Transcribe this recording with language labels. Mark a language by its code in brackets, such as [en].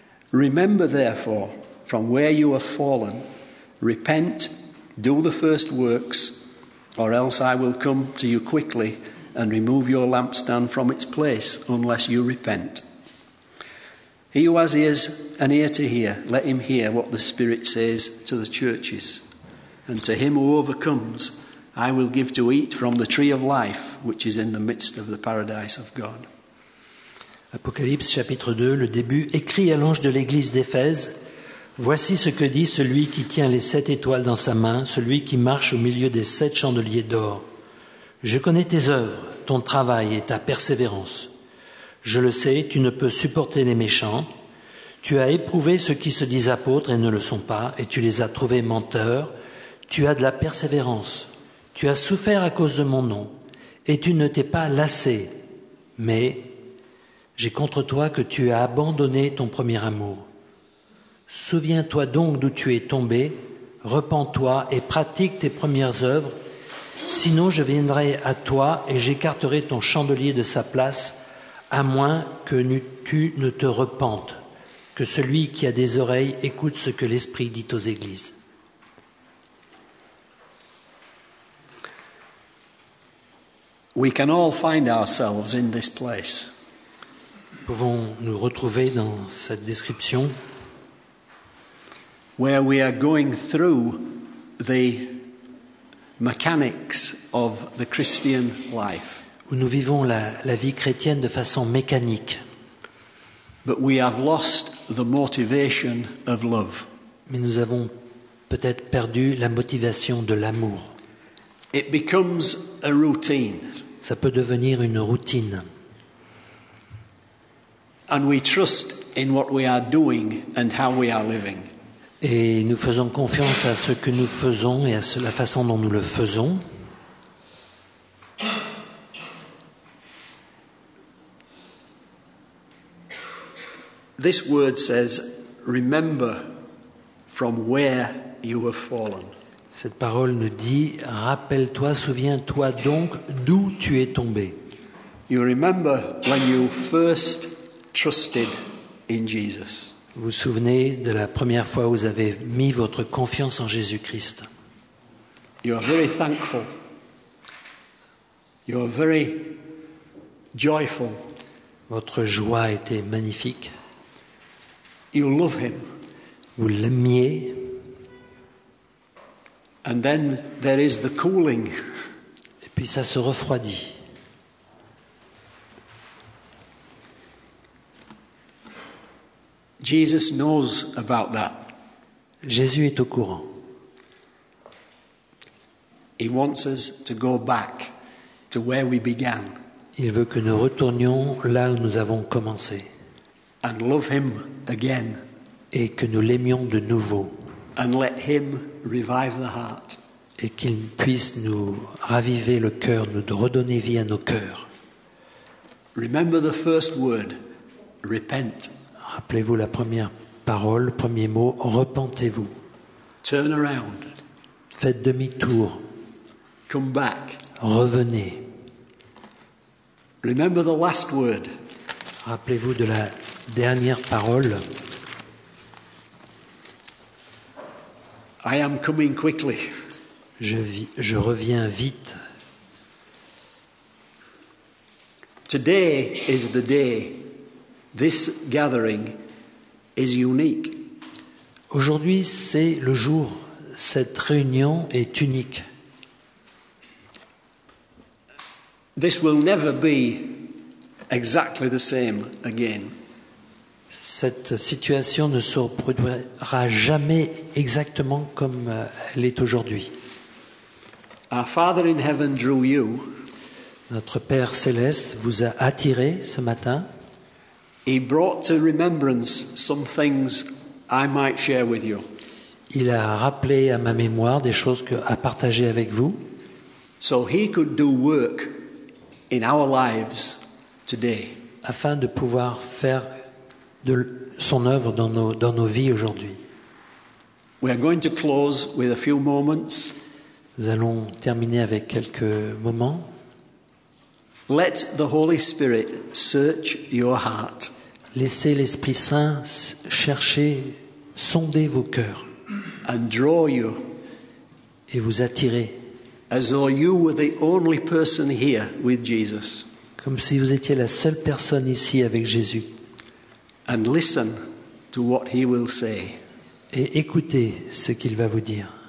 [en] Remember, therefore, from where you have fallen, repent, do the first works, or else I will come to you quickly and remove your lampstand from its place unless you repent. He who has ears, an ear to hear, let him hear what the Spirit says to the churches. And to him who overcomes, I will give to eat from the tree of life, which is in the midst of the paradise of God. [fr] Apocalypse chapitre 2, le début, écrit à l'ange de l'église d'Éphèse. Voici ce que dit celui qui tient les sept étoiles dans sa main, celui qui marche au milieu des sept chandeliers d'or. Je connais tes œuvres, ton travail et ta persévérance. Je le sais, tu ne peux supporter les méchants. Tu as éprouvé ceux qui se disent apôtres et ne le sont pas, et tu les as trouvés menteurs. Tu as de la persévérance. Tu as souffert à cause de mon nom, et tu ne t'es pas lassé. Mais j'ai contre toi que tu as abandonné ton premier amour. Souviens-toi donc d'où tu es tombé, repens-toi et pratique tes premières œuvres. Sinon, je viendrai à toi et j'écarterai ton chandelier de sa place, à moins que tu ne te repentes, que celui qui a des oreilles écoute ce que l'Esprit dit aux églises. [en] We can all find ourselves in this place. [fr] Pouvons-nous retrouver dans cette description? [en] Where we are going through the mechanics of the Christian life. [fr] Où nous vivons la vie chrétienne de façon mécanique. [en] But we have lost the motivation of love. [fr] Mais nous avons peut-être perdu la motivation de l'amour. [en] It becomes a routine. [fr] Ça peut devenir une routine. [en] And we trust in what we are doing and how we are living. [fr] Et nous faisons confiance à ce que nous faisons et à la façon dont nous le faisons. [en] This word says, "Remember from where you have fallen." [fr] Cette parole nous dit, rappelle-toi, souviens-toi donc d'où tu es tombé. [en] You remember when you first trusted in Jesus. [fr] Vous vous souvenez de la première fois où vous avez mis votre confiance en Jésus-Christ. [en] You are very thankful. You are very joyful. [fr] Votre joie était magnifique. [en] You love him. [fr] Vous l'aimiez. [en] And then there is the cooling. [fr] Et puis ça se refroidit. [en] Jesus knows about that. [fr] Jésus est au courant. [en] He wants us to go back to where we began. [fr] Il veut que nous retournions là où nous avons commencé. [en] And love him again. [fr] et que nous l'aimions de nouveau. [en] And let him revive the heart. [fr] Et qu'il puisse nous raviver le cœur, nous redonner vie à nos cœurs. [en] Remember the first word, repent. [fr] Rappelez-vous la première parole, premier mot, repentez-vous. [en] Turn around. [fr] Faites demi-tour. [en] Come back. [fr] Revenez. [en] Remember the last word. [fr] Rappelez-vous de la dernière parole. [en] I am coming quickly. [fr] Je reviens vite. [en] Today is the day. This gathering is unique. [fr] Aujourd'hui, c'est le jour. Cette réunion est unique. [en] This will never be exactly the same again. [fr] Cette situation ne se reproduira jamais exactement comme elle est aujourd'hui. [en] Our Father in heaven drew you. [fr] Notre Père céleste vous a attiré ce matin. [en] He brought to remembrance some things I might share with you. [fr] Il a rappelé à ma mémoire des choses à partager avec vous. [en] So he could do work in our lives today. [fr] Afin de pouvoir faire de son œuvre dans nos vies aujourd'hui. [en] We are going to close with a few moments. [fr] Nous allons terminer avec quelques moments. [en] Let the Holy Spirit search your heart. [fr] Laissez l'Esprit Saint chercher, sonder vos cœurs. [en] And draw you. [fr] Et vous attirer. [en] As though you were the only person here with Jesus. [fr] Comme si vous étiez la seule personne ici avec Jésus. [en] And listen to what he will say. [fr] Et écoutez ce qu'il va vous dire.